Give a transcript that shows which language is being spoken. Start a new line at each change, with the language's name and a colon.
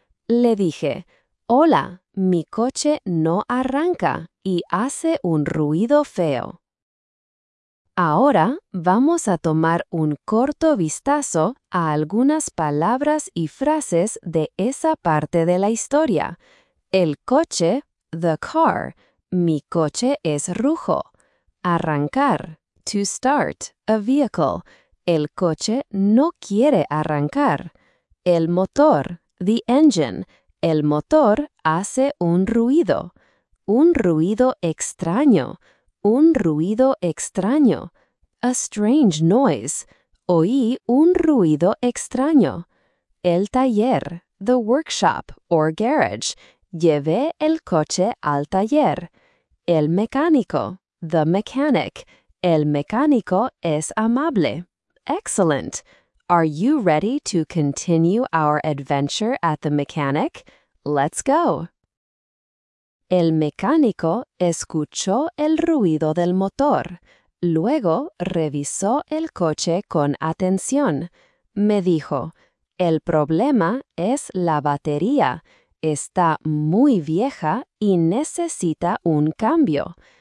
Spanish: Le dije, hola, mi coche no arranca y hace un ruido feo. Ahora vamos a tomar un corto vistazo a algunas palabras y frases de esa parte de la historia. El coche,
English: the car.
Spanish: Mi coche es rojo.
English: Arrancar, to start, a vehicle.
Spanish: El coche no quiere arrancar. El motor,
English: the engine.
Spanish: El motor hace un ruido. Un ruido extraño. Un ruido extraño.
English: A strange noise.
Spanish: Oí un ruido extraño. El taller,
English: the workshop or garage.
Spanish: Llevé el coche al taller. El mecánico,
English: the mechanic.
Spanish: El mecánico es amable.
English: Excellent. Are you ready to continue our adventure at the mechanic? Let's go.
Spanish: El mecánico escuchó el ruido del motor. Luego revisó el coche con atención. Me dijo, el problema es la batería. Está muy vieja y necesita un cambio.